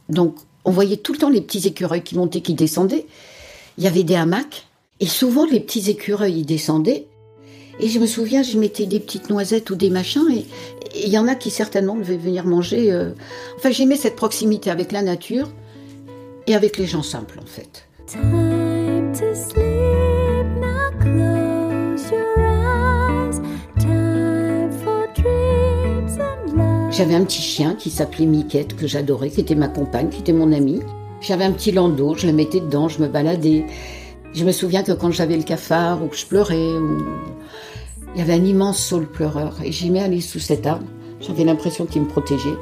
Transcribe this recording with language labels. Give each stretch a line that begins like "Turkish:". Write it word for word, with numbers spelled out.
French: Donc, on voyait tout le temps les petits écureuils qui montaient, qui descendaient. Il y avait des hamacs, et souvent, les petits écureuils, ils descendaient. Et je me souviens, je mettais des petites noisettes ou des machins, et il y en a qui certainement devaient venir manger. Euh... Enfin, j'aimais cette proximité avec la nature et avec les gens simples, en fait.
English: Time to sleep, now close your eyes. Time for dreams and love.
French: J'avais un petit chien qui s'appelait Miquette, que j'adorais, qui était ma compagne, qui était mon amie. J'avais un petit landau, je le mettais dedans, je me baladais. Je me souviens que quand j'avais le cafard, ou que je pleurais, ou... il y avait un immense saule pleureur, et j'aimais aller sous cet arbre. J'avais l'impression qu'il me protégeait.